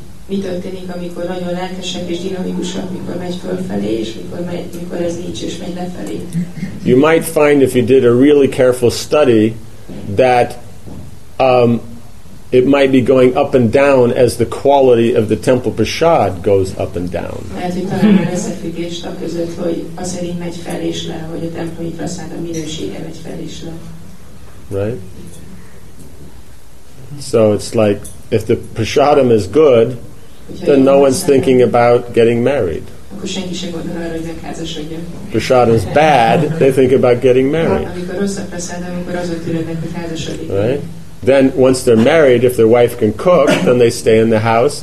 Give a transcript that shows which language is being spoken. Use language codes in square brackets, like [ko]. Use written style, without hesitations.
[hu] Mi történik, amikor nagyon lelkesek és dinamikusak, amikor megy fölfelé, és amikor ez nincs, és megy lefelé. [en] You might find, if you did a really careful study, that it might be going up and down as the quality of the temple prasad goes up and down. [hu] Lehet, hogy talán már összefüggés a között, hogy az szerint megy fel és le, hogy a templomi prasad a minősége megy fel és le. [en] Right? So it's like, if the prasadam is good, then no one's thinking about getting married. Prasadam is bad, they think about getting married. Right? Then once they're married, if their wife can cook, then they stay in the house.